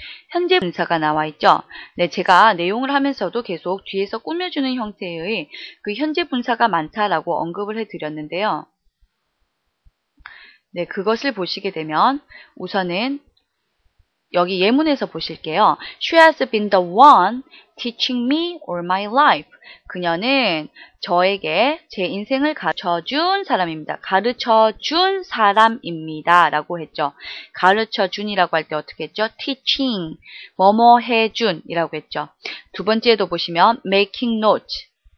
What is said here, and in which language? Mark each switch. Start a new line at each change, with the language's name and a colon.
Korean: 현재 분사가 나와 있죠. 네, 제가 내용을 하면서도 계속 뒤에서 꾸며주는 형태의 그 현재 분사가 많다라고 언급을 해드렸는데요. 네, 그것을 보시게 되면 우선은 여기 예문에서 보실게요.
English: She has been the one teaching me all my life.
Korean: 그녀는 저에게 제 인생을 가르쳐준 사람입니다. 가르쳐준 사람입니다. 라고 했죠. 가르쳐준이라고 할 때 어떻게 했죠? teaching, 뭐뭐 해준 이라고 했죠. 두 번째도 보시면
English: making notes.